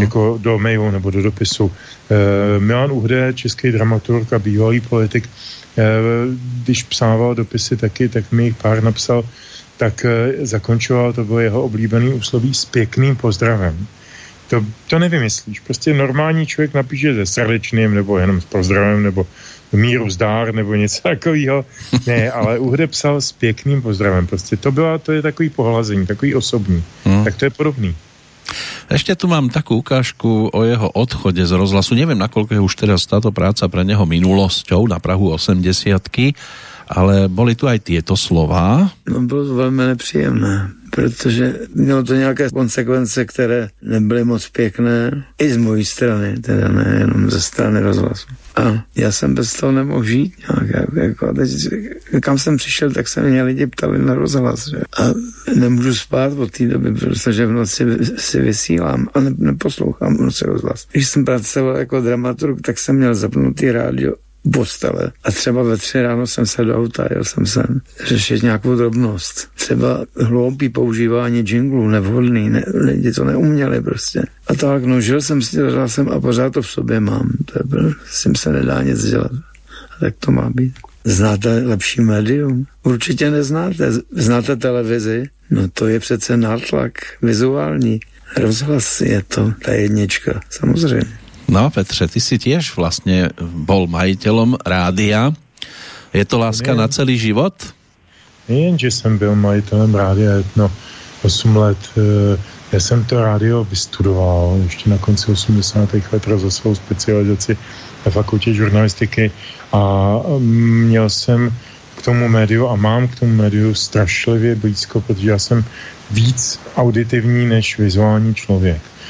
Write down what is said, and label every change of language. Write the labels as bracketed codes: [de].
[cs] Jako do mailu nebo do dopisu. Milan Uhde, český dramaturg a bývalý politik, když psával dopisy taky, tak mi jich pár napsal, tak zakončoval, to bylo jeho oblíbený úsloví, s pěkným pozdravem. To nevymyslíš. Prostě normální člověk napíše se srdečným, nebo jenom s pozdravem, nebo míru zdár, nebo něco takového. Ne, ale Uhde psal s pěkným pozdravem. Prostě to bylo, to je takový pohlazení, takový osobní. Hmm. Tak to je podobný. [sk] Ešte tu mám takú ukážku o jeho odchode z rozhlasu. Neviem, nakoľko je už teraz táto práca pre neho minulosťou na Prahu 80-ky, ale boli tu aj tieto slova. [cs] No, bylo to velmi nepříjemné, protože mělo to nějaké konsekvence, které nebyly moc pěkné, i z mojí strany, teda ne, jenom ze strany rozhlasu. A já jsem bez toho nemohl žít nějak, jako teď, kam jsem přišel, tak se mě lidi ptali na rozhlas, že? A nemůžu spát od té doby, protože v noci si vysílám a neposlouchám v noci rozhlas. Když jsem pracoval jako dramaturg, tak jsem měl zapnutý rádio postele. A třeba ve 3 ráno jsem se do auta, jel jsem sem řešit nějakou drobnost. Třeba hloupý používání džinglů, nevhodný, ne, lidi to neuměli prostě. A tak, no, žil jsem s tím a pořád to v sobě mám. To je, s tím se nedá nic dělat. A tak to má být. Znáte lepší médium? Určitě neznáte. Znáte televizi? No, to je přece nátlak vizuální. Rozhlas je to, ta jednička, samozřejmě. [sk] No, Petře, ty si tiež vlastne bol majiteľom rádia. Je to láska na celý život? Nejen, že som bol majiteľom rádia, no, 8 let. Ja som to rádio vystudoval ešte na konci 80. [cs] let za svou specializaci na fakultě žurnalistiky a měl jsem k tomu médiu a mám k tomu médiu strašlivě blízko, protože já jsem víc auditivní než vizuální člověk.